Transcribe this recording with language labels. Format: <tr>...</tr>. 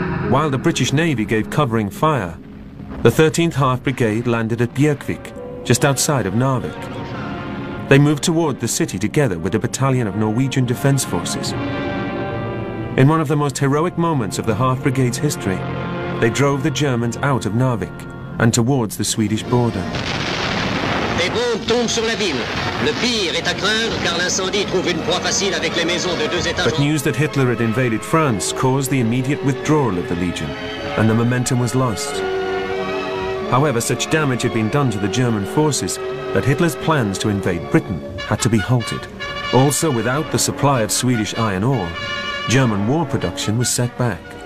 <en>While the British Navy gave covering fire, the 13th Half Brigade landed at Björkvik, just outside of Narvik. They moved toward the city together with a battalion of Norwegian Defense Forces. In one of the most heroic moments of the Half Brigade's history, they drove the Germans out of Narvik and towards the Swedish border.</en> <fr>Les bombes tombent sur la ville. Le pire est à craindre car l'incendie trouve une proie facile avec les maisons de deux étages.</fr> <en>But news that Hitler had invaded France caused the immediate withdrawal of the Legion, and the momentum was lost. However, such damage had been done to the German forces that Hitler's plans to invade Britain had to be halted. Also, without the supply of Swedish iron ore, German war production was set back.</en>